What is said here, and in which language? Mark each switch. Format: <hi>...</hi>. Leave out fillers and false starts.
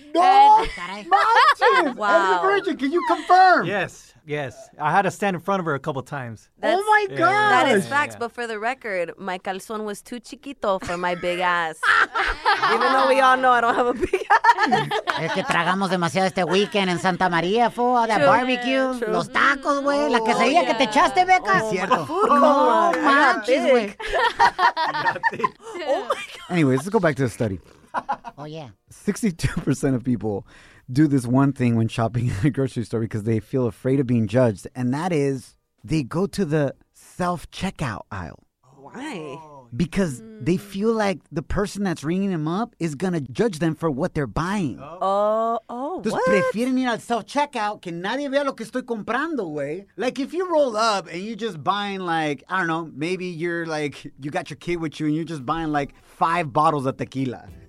<en>No! Wow. Eddie the Virgin, can you confirm? Yes. Yes. I had to stand in front of her a couple times. That's, oh, my God. Yeah. That is facts. Yeah. But for the record, my calzón was too chiquito for my big ass. Even though we all know I don't have a big ass.</en> <es>Es que tragamos demasiado este weekend en Santa María, fo.</es> <en>All that barbecue. True.</en> <es>Los tacos, güey. La quesadilla que te echaste, Becca. Es cierto.</es> <en>Oh, man. Not big. Not big. Oh, my God. Anyways, let's go back to the study. Oh, yeah. 62% of people do this one thing when shopping at a grocery store because they feel afraid of being judged, and that is they go to the self-checkout aisle. Why? Because they feel like the person that's ringing them up is going to judge them for what they're buying.</en> <es>Entonces, prefieren ir al self-checkout que nadie vea lo que estoy comprando, güey.</es> <en>Like, if you roll up and you're just buying, like, I don't know, maybe you're, like, you got your kid with you and you're just buying, like, 5 bottles of tequila.</en>